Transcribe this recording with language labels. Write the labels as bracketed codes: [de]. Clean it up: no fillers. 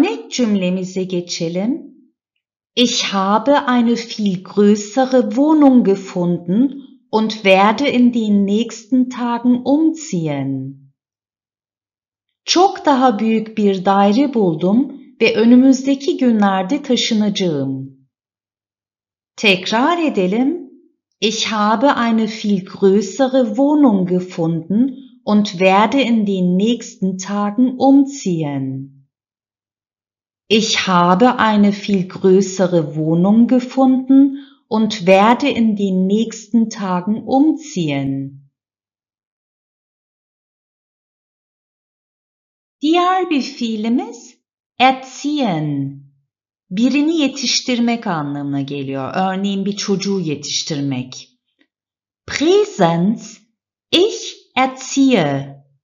[tr] Cümlemize geçelim. [de] Ich habe eine viel größere Wohnung gefunden und werde in den nächsten Tagen umziehen. [tr] Çok daha büyük bir daire buldum ve önümüzdeki günlerde taşınacağım. Tekrar edelim. [de] Ich habe eine viel größere Wohnung gefunden und werde in den nächsten Tagen umziehen. Ich habe eine viel größere Wohnung gefunden und werde in den nächsten Tagen umziehen. [tr] Diğer bir fiilimiz erziehen. Birini yetiştirmek anlamına geliyor. Örneğin bir çocuğu yetiştirmek. [de] Präsens, ich erziehe.